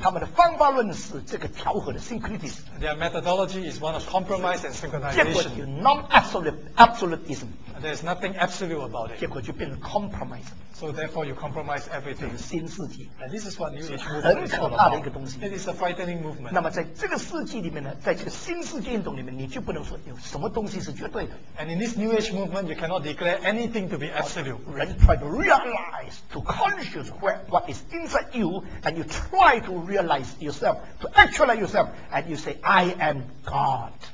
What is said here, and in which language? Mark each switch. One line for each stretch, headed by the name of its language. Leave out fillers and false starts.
Chinese: 他们的方法论是这个调和的 syncretism.
English: Their methodology is one of compromise and synchronization.
Chinese: 结果就
English: non-absolute, absolutism. And there's nothing absolute about it.
Chinese: 结果就变成 compromise.
English: So therefore you compromise everything.
Chinese: 新世纪.
English: And this is what new age movement is all about. It is a frightening movement.
Chinese: 那么在这个世纪里面呢，在这个新世纪运动里面，你就不能说有什么东西是绝对的。
English: And in this new age movement, you cannot declare anything to be absolute. When you try to realize, to conscious where what is inside you, and you try to realize yourself, to actualize yourself, and you say, I am God.